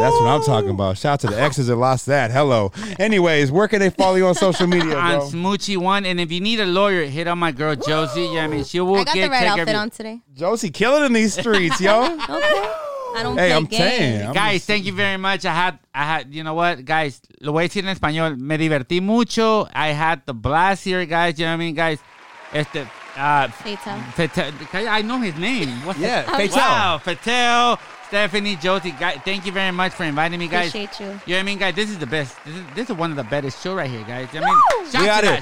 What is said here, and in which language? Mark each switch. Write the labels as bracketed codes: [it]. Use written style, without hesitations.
[en] That's what I'm talking about. Shout out to the exes that lost that. Hello. Anyways, where can they follow you on social media? On Smoochie1, and if you need a lawyer, hit on my girl Josie. Yeah, you know I mean, she will get. I got get the right outfit every- on today. Josie, killing in these streets, yo. I don't hey, I'm saying. Guys, thank you very much. I had, you know what, guys, [es] lo voy a decir en español. Me divertí mucho. [en] I had the blast here, guys. You know what I mean, guys? Fatel. I know his name. What's yeah, Fatel. Wow, Fatel, Stephanie, Josie. Guys, thank you very much for inviting me, guys. Appreciate you. You know what I mean, guys? This is the best. This is one of the best shows right here, guys. You know what I mean?